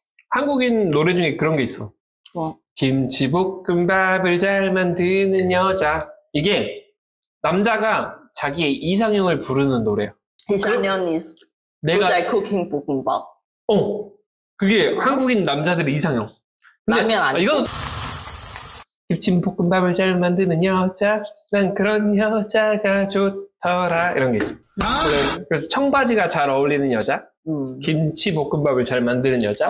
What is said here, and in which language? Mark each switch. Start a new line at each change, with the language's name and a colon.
Korean: 한국인 노래 중에 그런 게 있어. 뭐? 김치볶음밥을 잘 만드는 여자. 이게 남자가 자기의 이상형을 부르는 노래야.
English: 이상형 is good at cooking 볶음밥.
Korean: 어, 그게 한국인 남자들의 이상형. 라면 아니야? 이건 김치볶음밥을 잘 만드는 여자. 난 그런 여자가 좋더라. 이런 게 있어. 그래서 청바지가 잘 어울리는 여자. 김치볶음밥을 잘 만드는 여자.